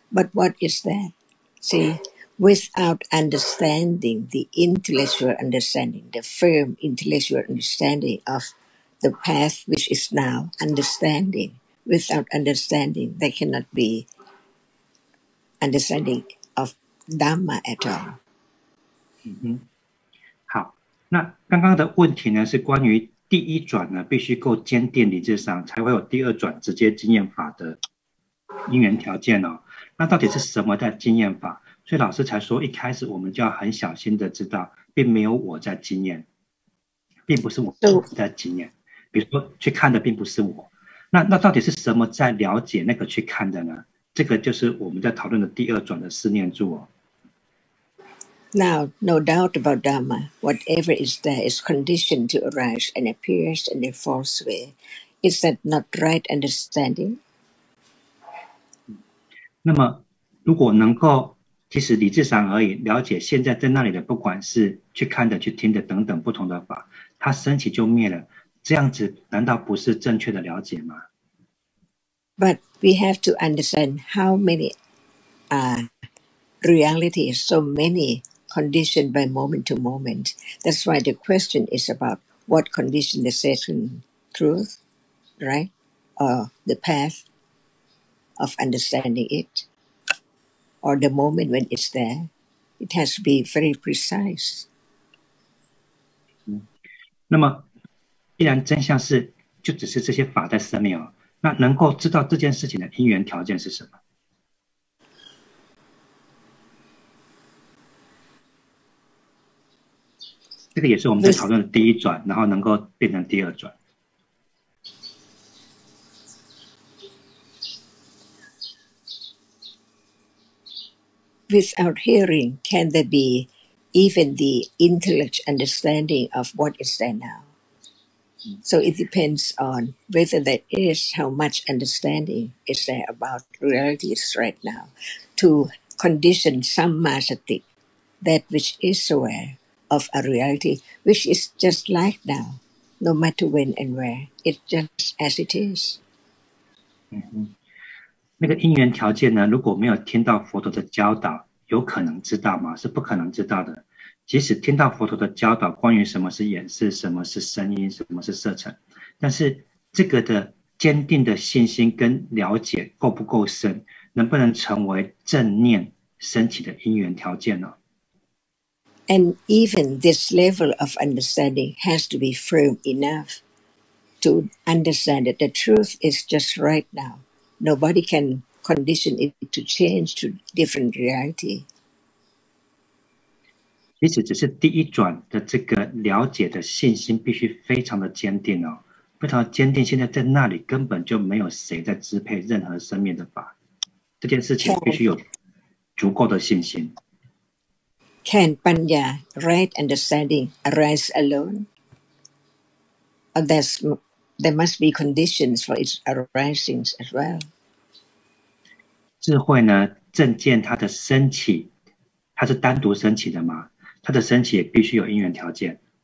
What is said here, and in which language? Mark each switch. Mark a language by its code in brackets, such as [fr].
[en] But what is that? See, without understanding, the intellectual understanding, the firm intellectual understanding of the path which is now understanding. Without understanding, there cannot be understanding of Dhamma at all. 嗯 [zh] 哼，好，那刚刚的问题呢，是关于第一转呢，必须够坚定理智上，才会有第二转直接经验法的因缘条件哦。那到底是什么的经验法？所以老师才说，一开始我们就要很小心的知道，并没有我在经验，并不是我在经验。比如说去看的并不是我，那到底是什么在了解那个去看的呢？这个就是我们在讨论的第二转的四念住哦。 [en] Now, no doubt about Dhamma. Whatever is there is conditioned to arise and appears in a false way. Is that not right understanding? [zh] 那么，如果能够其实理智上而已了解现在在那里的，不管是去看的、去听的等等不同的法，它升起就灭了。这样子难道不是正确的了解吗？ [en] But we have to understand how many realities, so many conditioned by moment to moment. That's why the question is about what condition the certain truth, right? Or the path of understanding it, or the moment when it's there. It has to be very precise. [zh] 那么既然真相是就只是这些法在生命，那能够知道这件事情的因缘条件是什么？这个也是我们在讨论的第一转，然后能够变成第二转。 [en] Without hearing, can there be even the intellect understanding of what is there now? So it depends on whether that is how much understanding is there about realities right now to condition sammasati, that which is aware of a reality, which is just like now, no matter when and where, it's just as it is. [zh] 那个因缘条件呢，如果没有听到佛陀的教导，有可能知道吗？是不可能知道的。即使听到佛陀的教导，关于什么是眼识，什么是声音，什么是色尘，但是这个的坚定的信心跟了解够不够深，能不能成为正念升起的因缘条件呢？ [en] And even this level of understanding has to be firm enough to understand that the truth is just right now. Nobody can condition it to change to different reality. [zh] 即使只是第一转的这个了解的信心必须非常的坚定哦，非常坚定，现在在那里根本就没有谁在支配任何生命的法，这件事情必须有足够的信心。 [en] Can panya, right understanding arise alone? There must be conditions for its arising as well. [zh] 智慧呢，正见它的升起，它是单独升起的吗？它的升起也必须有因缘条件。